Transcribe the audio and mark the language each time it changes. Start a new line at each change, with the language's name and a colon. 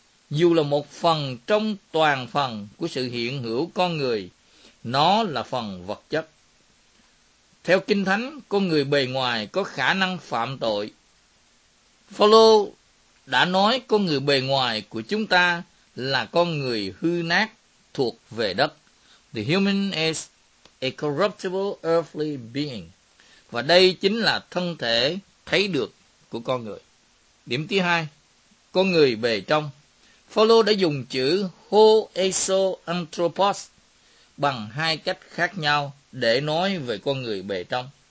Vietnamese: dù là một phần trong toàn phần của sự hiện hữu con người, nó là phần vật chất. Theo Kinh Thánh, con người bề ngoài có khả năng phạm tội. Phaolô đã nói con người bề ngoài của chúng ta là con người hư nát thuộc về đất.
English: The human is a corruptible earthly being.
Vietnamese: Và đây chính là thân thể thấy được của con người. Điểm thứ hai, con người bề trong. Phaolô đã dùng chữ ho eso anthropos bằng hai cách khác nhau để nói về con người bề trong.